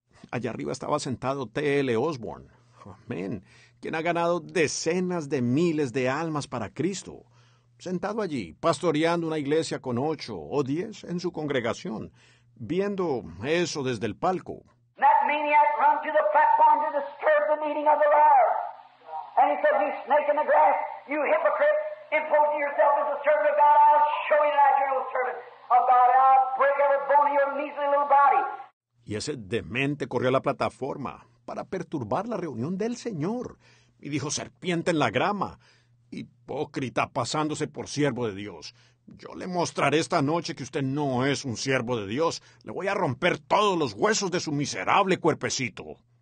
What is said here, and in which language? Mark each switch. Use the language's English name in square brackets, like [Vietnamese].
[Spanish] Allá arriba estaba sentado T.L. Osborne. Amén. Quien ha ganado decenas de miles de almas para Cristo. Sentado allí, pastoreando una iglesia con 8 o 10 en su congregación, viendo eso desde el palco. [English] That maniac run to the platform to disturb the meeting of the Lord. And he said, you snake in the grass, you hypocrite, imposing yourself as a servant of God, I'll show you that you're no servant of God, I'll break every bone of your measly little body. [Spanish] Y ese demente corrió a la plataforma para perturbar la reunión del Señor. Y dijo, serpiente en la grama, hipócrita pasándose por siervo de Dios. Yo le mostraré esta noche que usted no es un siervo de Dios. Le voy a romper todos los huesos de su miserable cuerpecito.